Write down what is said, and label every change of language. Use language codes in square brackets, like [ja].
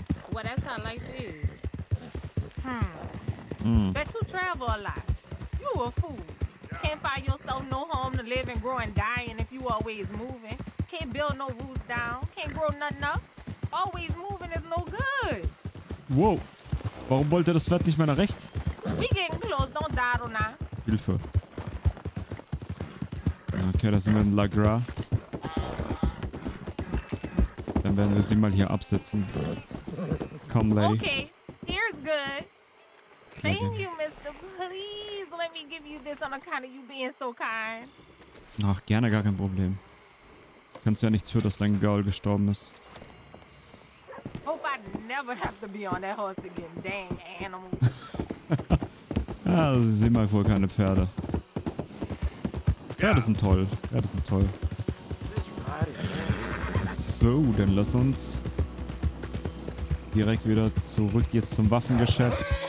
[en] Well, that's how life is. Bet you travel a lot. You a fool. Can't find yourself no home to live and grow and die in if you always moving. Can't build no roots down. Can't grow nothing up. Always moving is no good. Whoa. [de] Warum wollte das Pferd nicht mehr nach rechts? [en] We getting close. Don't die on now. [de] Hilfe. Okay, da sind wir in La Gra. Dann werden wir sie mal hier absetzen. [en] Come, lady. Okay, here's good. Thank you, Mister. Please let me give you this on account of you being so kind. [de] Ach, gerne, gar kein Problem. Kannst ja nichts für, dass dein Girl gestorben ist. [en] Hope I never have to be on that horse again. Dang animal. [de] Ja, also sie sind mal wohl keine Pferde. Pferde sind toll. Pferde sind toll. So, dann lass uns direkt wieder zurück jetzt zum Waffengeschäft.